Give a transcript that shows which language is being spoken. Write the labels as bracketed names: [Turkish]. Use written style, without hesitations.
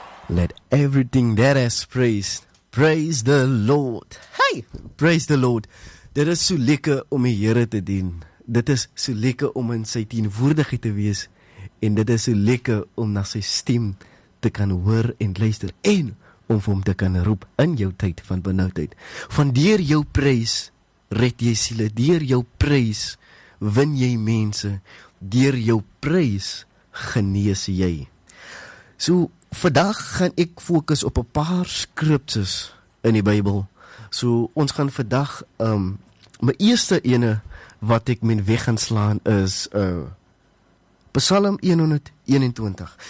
[English] Let everything that has praised, praise the Lord. Hey! Praise the Lord. [Afrikaans] Dit is so lekker om die Here te dien. Dit is so lekker om in sy teenwoordigheid te wees. En dit is so lekker om na sy stem te kan hoor en luister. En om vir hom te kan roep in jou tyd van benoudheid. Van deur jou prys, red jy siele. Deur jou prys, win jy mense. Deur jou prys, genees jy. So, vandag gaan ek fokus op 'n paar skriptes in die Bybel. So, ons gaan vandag, my eerste ene wat ek met weg gaan slaan is, Psalm 121.